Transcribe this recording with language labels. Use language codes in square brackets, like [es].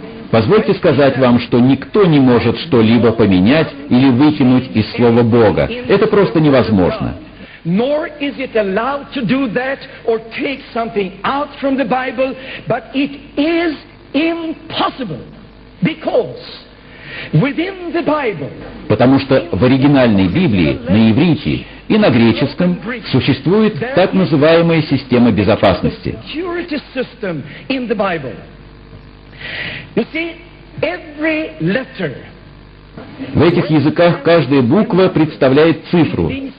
[ru] Позвольте сказать вам, что никто не может что-либо поменять или выкинуть из слова Бога. Это просто невозможно. [en] Nor is it allowed to do that or take something out from the Bible, but it is impossible because within the Bible. [ru] Потому что в оригинальной Библии на иврите и на греческом существует так называемая система безопасности. [en] Security system in the Bible. You see, every letter. [ru] В этих языках каждая буква представляет цифру.